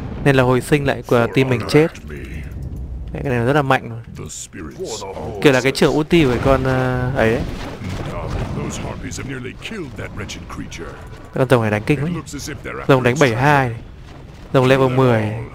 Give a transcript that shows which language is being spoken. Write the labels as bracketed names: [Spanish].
[Vietnamese] Nên là hồi sinh lại của team mình chết. Cái này rất là mạnh rồi. Kiểu là cái trưởng ulti của con ấy đấy. [English] Those harpies have nearly killed that wretched creature. [Vietnamese] Con rồng này đánh kinh quá. Rồng đánh 72. Rồng level 10.